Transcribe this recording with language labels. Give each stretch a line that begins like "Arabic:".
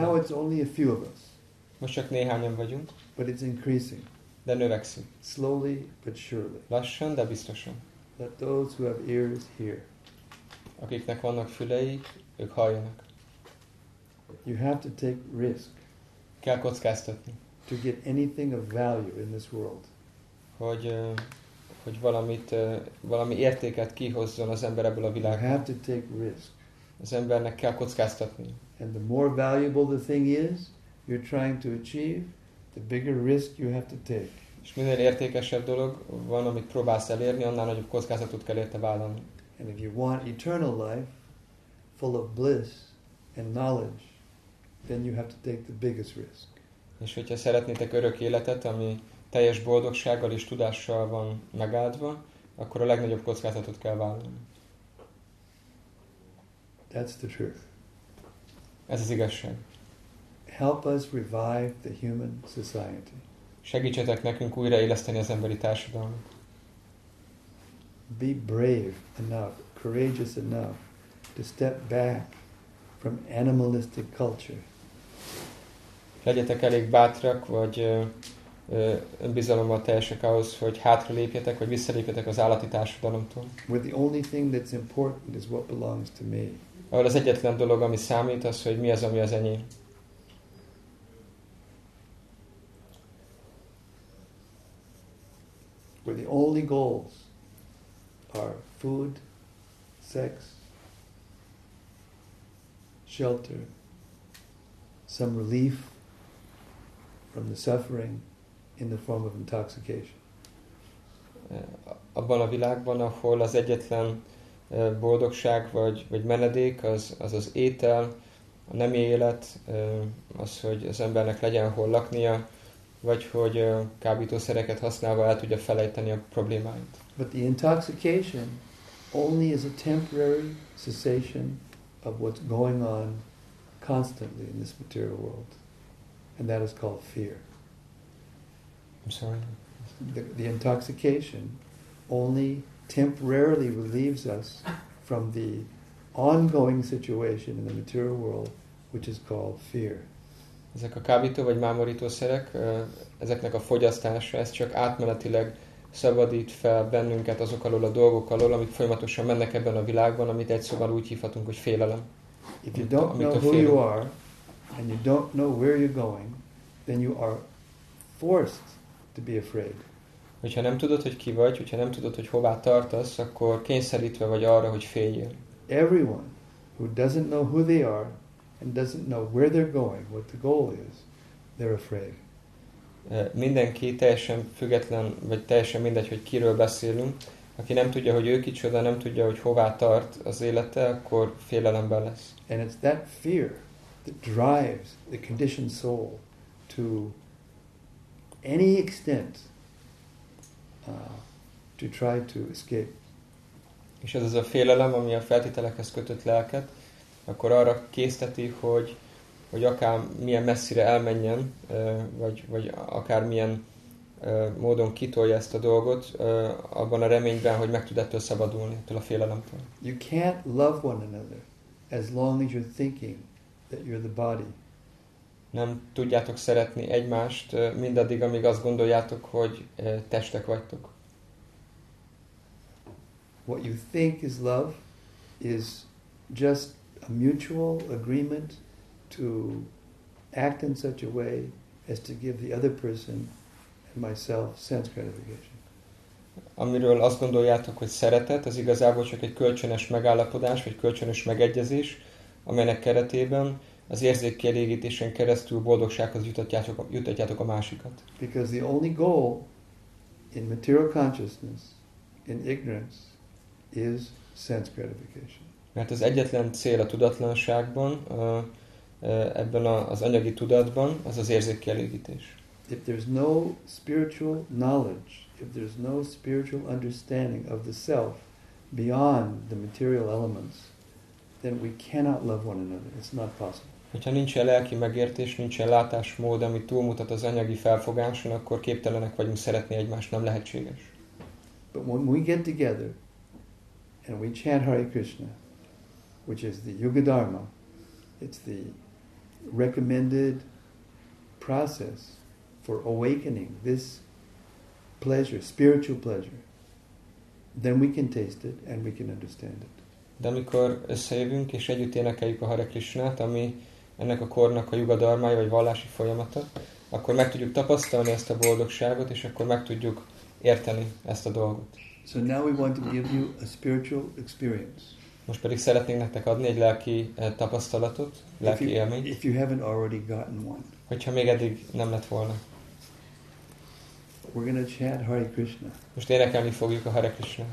English: Now it's only a few of us.
Hungarian: Most csak néhányan vagyunk,
English: but it's increasing.
Hungarian: De növekszünk.
English: Slowly but surely.
Hungarian: Lassan, de biztosan.
English: Let those who have ears hear.
Hungarian: Akiknek vannak fülei, ők halljanak.
English: You have to take risk.
Hungarian: Kell kockáztatni.
English: To get anything of value in this world.
Hungarian: Hogy valami értéket kihozzon az ember ebből a világból.
English: You have to take risk.
Hungarian: Az embernek kell kockáztatni.
English: And the more valuable the thing is, you're trying to achieve, the bigger risk you have to take.
Hungarian: És minél értékesebb dolog van, amit próbálsz elérni, annál nagyobb kockázatot kell érte vállalni.
English: And if you want eternal life, full of bliss and knowledge, then you have to take the biggest risk.
Hungarian: És hogyha szeretnétek örök életet, ami teljes boldogsággal és tudással van megáldva, akkor a legnagyobb kockázatot kell vállalni.
English: That's the truth.
Hungarian: Ez az igazság.
English: Help us revive the human society.
Hungarian: Segítsetek nekünk újraéleszteni az emberi társadalmat.
English: Be brave enough, courageous enough to step back from animalistic culture.
Hungarian: Legyetek elég bátrak, vagy önbizalommal teljesek ahhoz, hogy hátralépjetek, vagy visszalépjetek az állati társadalomtól.
English: Where the only thing that's important is what belongs to me.
Hungarian: Ahol az egyetlen dolog, ami számít, az, hogy mi az, ami az enyém.
English: With only goals are food, sex, shelter, some relief from the suffering in the form of intoxication.
Hungarian: Abban a világban, ahol az egyetlen boldogság vagy menedék az étel, a nemi élet, az, hogy az embernek legyen hol laknia, vagy hogy kábítószereket használva el tudja felejteni a problémáit.
English: But the intoxication only is a temporary cessation of what's going on constantly in this material world. And that is called fear. I'm sorry? The intoxication only temporarily relieves us from the ongoing situation in the material world, which is called fear.
Hungarian: Ezek a kábító vagy mámorítószerek, ezeknek a fogyasztása, ez csak átmenetileg szabadít fel bennünket azok alól a dolgok alól, amik folyamatosan mennek ebben a világban, amit egy szóval úgy hívhatunk, hogy félelem.
English: If you don't know who you are, and you don't know where you're going, then you are forced to be afraid.
Hungarian: Hogyha nem tudod, hogy ki vagy, hogyha nem tudod, hogy hová tartasz, akkor kényszerítve vagy arra, hogy féljél.
English: Everyone who doesn't know who they are and doesn't know where they're going, what the goal is, they're afraid.
Hungarian: Mindenki teljesen független, vagy teljesen mindegy, hogy kiről beszélünk, aki nem tudja, hogy ő kicsoda, nem tudja, hogy hová tart az élete, akkor félelemben lesz.
English: And it's that fear that drives the conditioned soul to any extent to try to escape.
Hungarian: És ez az a félelem, ami a feltételekhez kötött lelket, akkor arra készteti, hogy akár milyen messzire elmenjen, vagy akár milyen módon kitolja ezt a dolgot, abban a reményben, hogy meg tud ettől szabadulni, ettől a félelemtől.
English: You can't love one another as long as you're thinking that you're the body.
Hungarian: Nem tudjátok szeretni egymást, mindaddig, amíg azt gondoljátok, hogy testek vagytok.
English: What you think is love is just a mutual agreement to act in such a way as to give the other person and myself sense gratification.
Hungarian: Amiről azt gondoljátok, hogy szeretet, az igazából csak egy kölcsönös megállapodás, vagy kölcsönös megegyezés, amelynek keretében az érzékkielégítésen keresztül boldogsághoz jutatjátok a másikat.
English: Because the only goal in material consciousness, in ignorance, is sense gratification.
Hungarian: Mert az egyetlen cél a tudatlanságban, ebben az anyagi tudatban, az az érzékkielégítés.
English: If there's no spiritual knowledge, if there's no spiritual understanding of the self beyond the material elements, then we cannot love one another. It's not possible.
Hungarian: Hogyha nincsen lelki megértés, nincsen látásmód, ami túlmutat az anyagi felfogáson, akkor képtelenek vagyunk szeretni egymást, nem lehetséges.
English: But when we get together and we chant Hare Krishna, which is the Yuga Dharma, it's the recommended process for awakening this pleasure, spiritual pleasure, then we can taste it and we can understand it.
Hungarian: De amikor összejövünk és együtt énekeljük a Hare Krishnát, ami ennek a kornak a Yuga Dharmája vagy vallási folyamata, akkor meg tudjuk tapasztalni ezt a boldogságot, és akkor meg tudjuk érteni ezt a dolgot.
English: So now we want to give you a spiritual experience.
Hungarian: Most pedig szeretnénk nektek adni egy lelki tapasztalatot, lelki élményt.
English: If you haven't already gotten one.
Hungarian: Hogyha még eddig nem lett volna.
English: We're gonna chant Hare Krishna.
Hungarian: Most énekelni fogjuk a Hare Krishna.